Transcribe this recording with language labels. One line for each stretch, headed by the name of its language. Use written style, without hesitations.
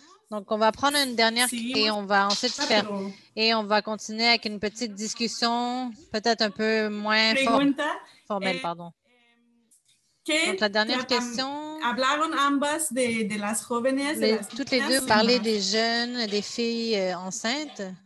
French: Donc, on va prendre une dernière question et on va ensuite faire. Et on va continuer avec une petite discussion, peut-être un peu moins formelle, pardon. Donc, la dernière question.
Spanish: Hablaron ambas de las jóvenes.
French: Toutes les deux parlaient des jeunes, des filles enceintes.